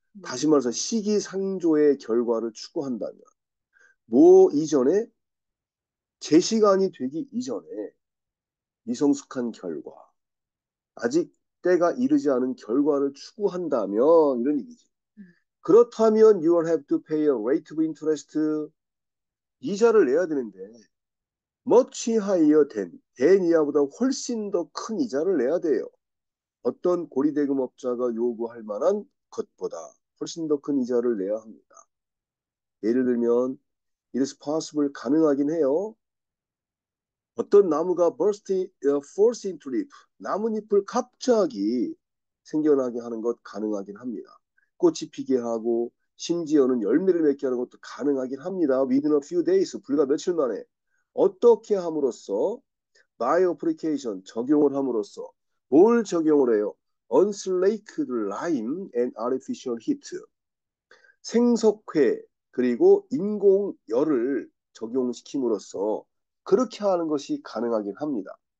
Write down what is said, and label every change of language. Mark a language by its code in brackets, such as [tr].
[ko] 다시 말해서 시기상조의 결과를 추구한다면, 뭐 이전에, 제 시간이 되기 이전에, 미성숙한 결과, 아직 때가 이르지 않은 결과를 추구한다면, 이런 얘기지. 그렇다면, [en] you will have to pay a rate of interest. [ko] 이자를 내야 되는데, [en] much higher than [ko] 이하보다 훨씬 더큰 이자를 내야 돼요. 어떤 고리대금업자가 요구할 만한 것보다 훨씬 더큰 이자를 내야 합니다. 예를 들면, [en] it is possible, [ko] 가능하긴 해요. 어떤 나무가 [en] force into leaf, [ko] 나뭇잎을 갑자기 생겨나게 하는 것 가능하긴 합니다. 꽃이 피게 하고, 심지어는 열매를 맺게 하는 것도 가능하긴 합니다. [en] Within a few days, [ko] 불과 며칠 만에. 어떻게 함으로써, [en] my application, [ko] 적용을 함으로써, 뭘 적용을 해요? [en] Unslaked lime and artificial heat. [ko] 생석회, 그리고 인공 열을 적용시킴으로써 그렇게 하는 것이 가능하긴 합니다.